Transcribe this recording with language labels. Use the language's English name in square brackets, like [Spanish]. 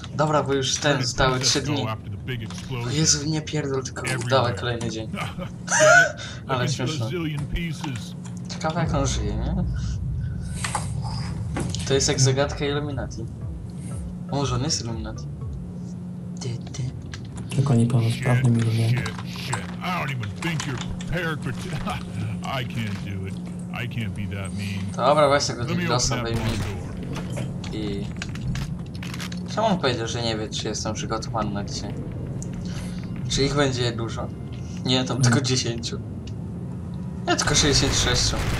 [Polish] Dobra, bo już ten zostały 3 dni. O Jezu, nie pierdol, tylko dawaj kolejny dzień. Ale śmieszne. Ciekawe jak on żyje, nie? To jest jak zagadka Illuminati. A może on jest Illuminati? Ty. Tylko niepełnosprawny Illuminati. [English] I don't even think you're prepared for... I can't do it. I can't be that mean. [Polish] Dobra, weź tego Diglosa, wejmij. I... Czemu on powiedział, że nie wie, czy jestem przygotowany na cię? Czy ich będzie dużo? Nie, tam tylko 10. Nie, tylko 66.